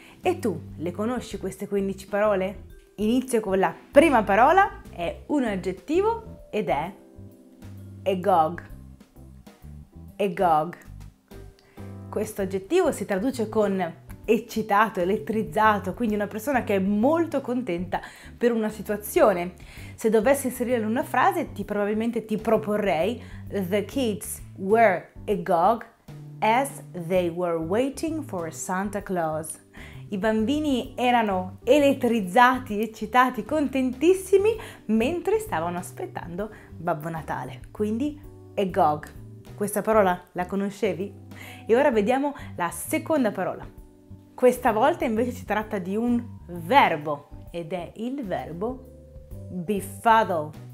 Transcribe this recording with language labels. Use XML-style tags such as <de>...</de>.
<it>E tu, le conosci queste 15 parole? Inizio con la prima parola, è un aggettivo ed è agog. Agog. Questo aggettivo si traduce con eccitato, elettrizzato, quindi una persona che è molto contenta per una situazione. Se dovessi inserirla in una frase, probabilmente ti proporrei</it> <en>The kids were agog as they were waiting for Santa Claus.</en> <it>I bambini erano elettrizzati, eccitati, contentissimi mentre stavano aspettando Babbo Natale. Quindi agog. Questa parola la conoscevi? E ora vediamo la seconda parola. Questa volta invece si tratta di un verbo ed è il verbo befuddle.</it>